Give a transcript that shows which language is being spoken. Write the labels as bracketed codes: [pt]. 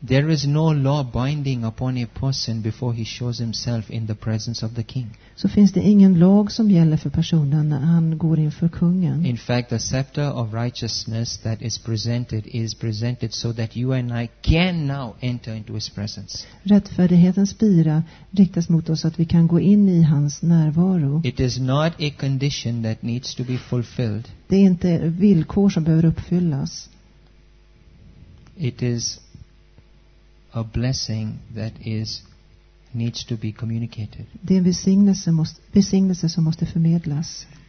[en] There is no law binding upon a person before he shows himself in the presence of the king. [sv] Så finns det ingen lag som gäller för personen när han går inför kungen. [en] In fact, the scepter of righteousness that is presented so that you and I can now enter into his presence. [sv] Rättfärdighetens spira riktas mot oss så att vi kan gå in i hans närvaro. [en] It is not a condition that needs to be fulfilled. [sv] Det är inte villkor som behöver uppfyllas. [en] It is a blessing that is needs to be communicated. [sv] Det är en välsignelse som måste förmedlas.